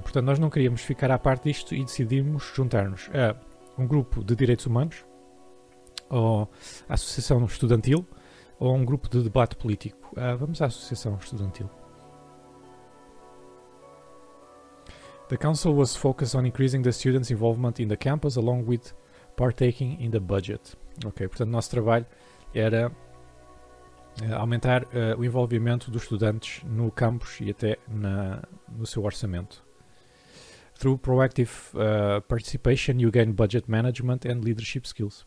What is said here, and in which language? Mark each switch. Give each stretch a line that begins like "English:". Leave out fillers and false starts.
Portuguese: Portanto, nós não queríamos ficar à parte disto e decidimos juntar-nos a um grupo de direitos humanos, ou a Associação Estudantil, ou um grupo de debate político. Vamos à Associação Estudantil.
English: The council was focused on increasing the students' involvement in the campus, along with partaking in the budget.
Portuguese: Ok, portanto, o nosso trabalho era aumentar o envolvimento dos estudantes no campus e até no seu orçamento.
English: Through proactive participation, you gain budget management and leadership skills.